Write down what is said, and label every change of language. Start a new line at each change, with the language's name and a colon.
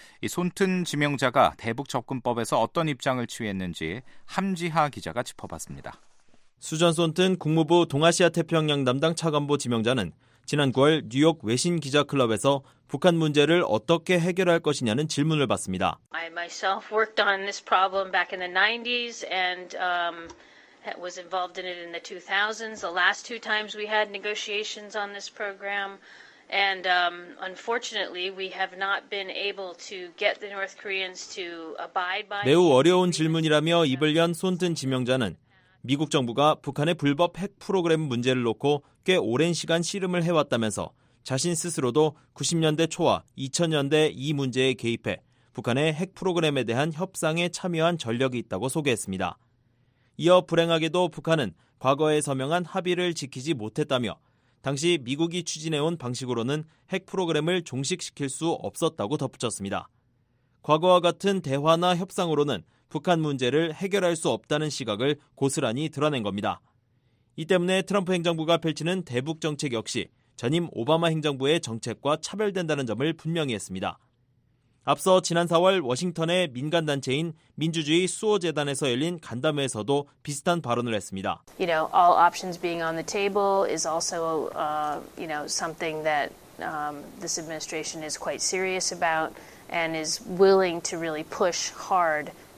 Korean: 손튼 지명자가 대북 접근법에서 어떤 입장을 취했는지 함지하 기자가 짚어봤습니다. 수전 손튼 국무부 동아시아 태평양 담당 차관보 지명자는 지난 9월 뉴욕 외신 기자클럽에서 북한 문제를 어떻게 해결할 것이냐는 질문을 받습니다.
English: I myself worked on this problem back in the 90s and was involved in it in the 2000s. The last two times we had negotiations on this program and unfortunately we have not been able to get the North Koreans to abide by
Korean: 매우 어려운 질문이라며 입을 연 손튼 지명자는 미국 정부가 북한의 불법 핵 프로그램 문제를 놓고 꽤 오랜 시간 씨름을 해왔다면서 자신 스스로도 90년대 초와 2000년대 이 문제에 개입해 북한의 핵 프로그램에 대한 협상에 참여한 전력이 있다고 소개했습니다. 이어 불행하게도 북한은 과거에 서명한 합의를 지키지 못했다며 당시 미국이 추진해온 방식으로는 핵 프로그램을 종식시킬 수 없었다고 덧붙였습니다. 과거와 같은 대화나 협상으로는 북한 문제를 해결할 수 없다는 시각을 고스란히 드러낸 겁니다. 이 때문에 트럼프 행정부가 펼치는 대북 정책 역시 전임 오바마 행정부의 정책과 차별된다는 점을 분명히 했습니다. 앞서 지난 4월 워싱턴의 민간단체인 민주주의 수호재단에서 열린 간담회에서도 비슷한 발언을 했습니다.
English: You know, all options being on the table is also, you know, something that this administration is quite serious about and is willing to really push hard.